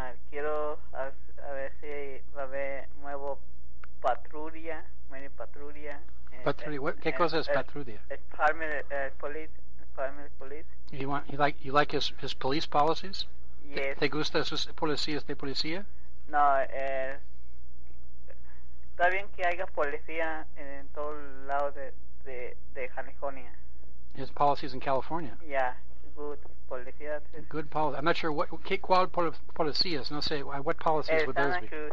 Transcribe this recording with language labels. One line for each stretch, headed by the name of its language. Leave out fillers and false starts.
Spanish: Quiero a ver si va a haber nuevo patrulla. Patrulla, ¿qué cosa es patrulla?
English: Department of police. You like his police policies? Yes.
Spanish: ¿Te gusta sus policías de policía? No, está bien que haya policía en todo el lado de California.
English: His policies in California. Yeah, good. Policías. Good policy. I'm not sure what policies.
Spanish: No sé
English: what policies would those be.